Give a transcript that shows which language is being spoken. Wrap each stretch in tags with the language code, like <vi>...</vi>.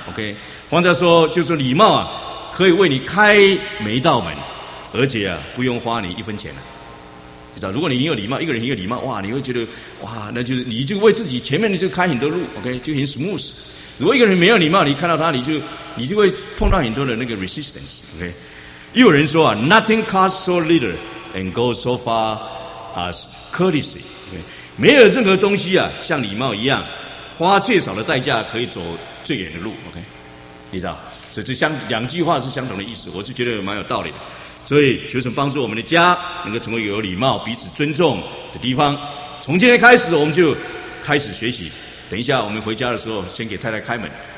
<zh>OK， 换句话说就是礼貌啊，可以为你开每一道门，而且啊不用花你一分钱了。你知道，如果你很有礼貌，一个人很有礼貌，哇，你会觉得哇，那就是你就为自己前面的就开很多路 ，OK， 就很 smooth。如果一个人没有礼貌，你看到他，你就会碰到很多的那个 resistance。</zh> <en>OK，</en> <zh>又有人说啊</zh> <en>，nothing costs so little。 And go so far as courtesy.、Okay?</en> <zh>没有任何东西啊，像礼貌一样，花最少的代价可以走最远的路。 OK， 你知道，所以这两句话是相同的意思，我就觉得蛮有道理的。所以求神帮助我们的家能够成为有礼貌、彼此尊重的地方。从今天开始，我们就开始学习。等一下我们回家的时候，先给太太开门。</zh>